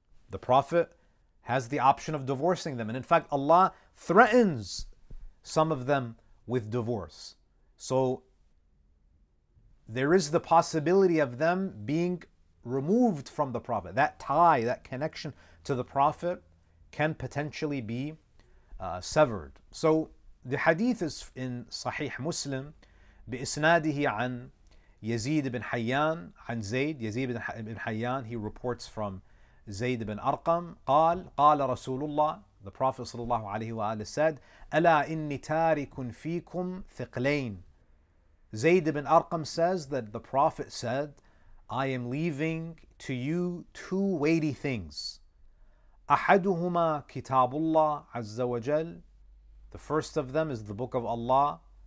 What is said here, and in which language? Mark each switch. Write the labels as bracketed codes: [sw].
[en] The Prophet has the option of divorcing them. And in fact, Allah threatens some of them with divorce. So there is the possibility of them being removed from the Prophet. That tie, that connection to the Prophet can potentially be severed. So the hadith is in Sahih Muslim, [ar] بِإِسْنَادِهِ عَنْ يَزِيدِ بِنْ حَيَّانِ عَنْ زَيْدِ يَزِيدِ بِنْ حَيَّانِ. [en] He reports from Zayd ibn Arqam, [ar] قال رسول الله, [en] the Prophet [ar] صلى الله عليه وآله said, أَلَا إِنِّي تَارِكٌ فِيكُمْ ثِقْلَيْنِ [en] Zahid ibn Akram says that the Prophet said, I am leaving to you two weighty things. [ar] أَحَدُهُمَا كِتَابُ اللَّهِ عَزَّ وَجَلْ [en] The first of them is the Book of Allah.